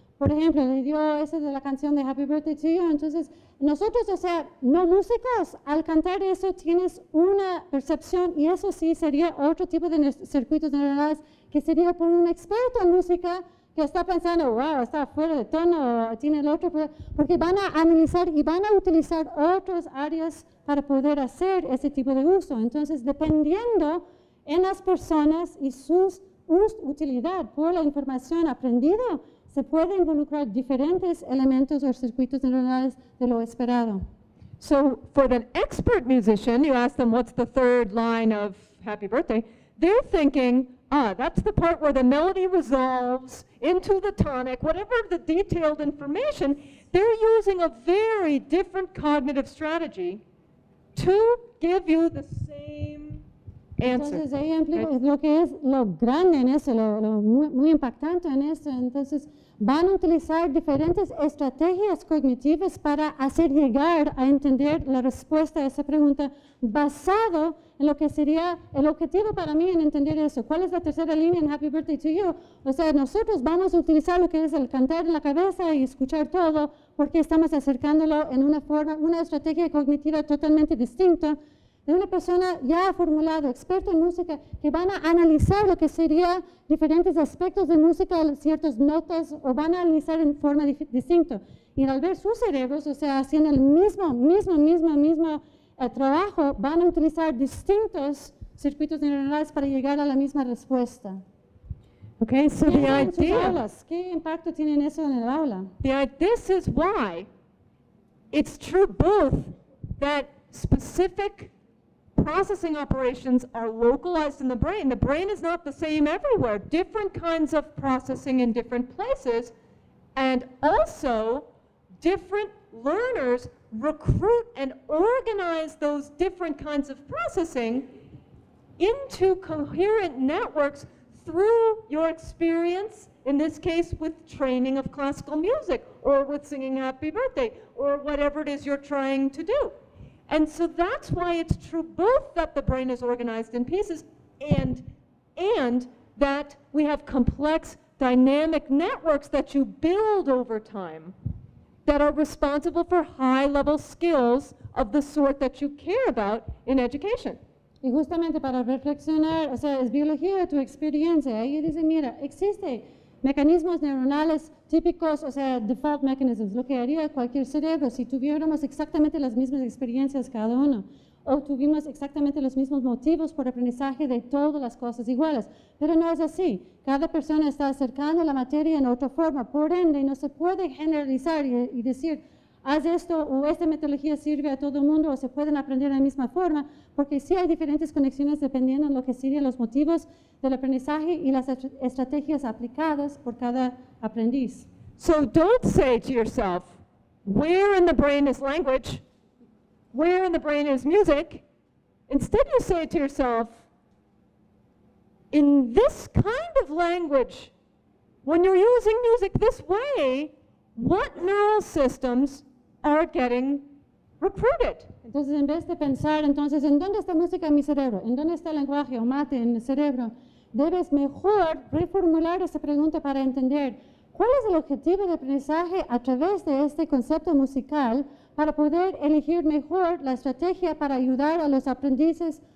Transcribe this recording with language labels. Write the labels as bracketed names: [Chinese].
[Spanish] Por ejemplo, le dio ese de la canción de Happy Birthday to You. Entonces, nosotros, o sea, no músicos, al cantar eso tienes una percepción y eso sí sería otro tipo de circuitos neuronales que sería por un experto en música que está pensando, wow, está fuera de tono, tiene el otro, porque van a analizar y van a utilizar otras áreas para poder hacer ese tipo de uso. Entonces, dependiendo en las personas y su utilidad por la información aprendida, se puede involucrar diferentes elementos o circuitos neuronales de lo esperado. [English] So for an expert musician, you ask them what's the third line of Happy Birthday, they're thinking, ah, that's the part where the melody resolves into the tonic, whatever the detailed information, they're using a very different cognitive strategy to give you the same answer. [Spanish] Entonces, ella implica, right? Lo que es lo grande en eso, lo muy impactante en eso, entonces, van a utilizar diferentes estrategias cognitivas para hacer llegar a entender la respuesta a esa pregunta basado en lo que sería el objetivo para mí en entender eso. ¿Cuál es la tercera línea en Happy Birthday to You? O sea, nosotros vamos a utilizar lo que es el cantar en la cabeza y escuchar todo porque estamos acercándolo en una forma, una estrategia cognitiva totalmente distinta de una persona ya formulada, experta en música, que van a analizar lo que sería diferentes aspectos de música, ciertas notas, o van a analizar en forma distinta. Y al ver sus cerebros, o sea, haciendo el mismo trabajo, van a utilizar distintos circuitos neuronales para llegar a la misma respuesta. [English] Okay, so the idea. [Spanish] ¿Qué impacto tienen eso en el aula? [English] This is why it's true both that specific processing operations are localized in the brain. The brain is not the same everywhere. Different kinds of processing in different places, and also different learners recruit and organize those different kinds of processing into coherent networks through your experience, in this case with training of classical music, or with singing Happy Birthday, or whatever it is you're trying to do. And so that's why it's true both that the brain is organized in pieces and that we have complex dynamic networks that you build over time that are responsible for high-level skills of the sort that you care about in education. [Spanish] Y justamente para reflexionar, o sea, es biología tu experiencia. Ahí dice, mira, existen mecanismos neuronales típicos, o sea, [English] default mechanisms, [Spanish] lo que haría cualquier cerebro si tuviéramos exactamente las mismas experiencias cada uno, o tuvimos exactamente los mismos motivos por aprendizaje de todas las cosas iguales. Pero no es así. Cada persona está acercando la materia en otra forma. Por ende, no se puede generalizar y decir, haz esto o esta metodología sirve a todo el mundo o se pueden aprender de la misma forma, porque sí hay diferentes conexiones dependiendo de lo que serían los motivos del aprendizaje y las estrategias aplicadas por cada aprendiz. [English] So don't say to yourself, where in the brain is language? Where in the brain is music? Instead you say to yourself, in this kind of language, when you're using music this way, what neural systems are getting recruited? [Spanish] Entonces, en vez de pensar, entonces, ¿en dónde está música en mi cerebro? ¿En dónde está el lenguaje o mate en el cerebro? Debes mejor reformular esa pregunta para entender cuál es el objetivo de aprendizaje a través de este concepto musical para poder elegir mejor la estrategia para ayudar a los aprendices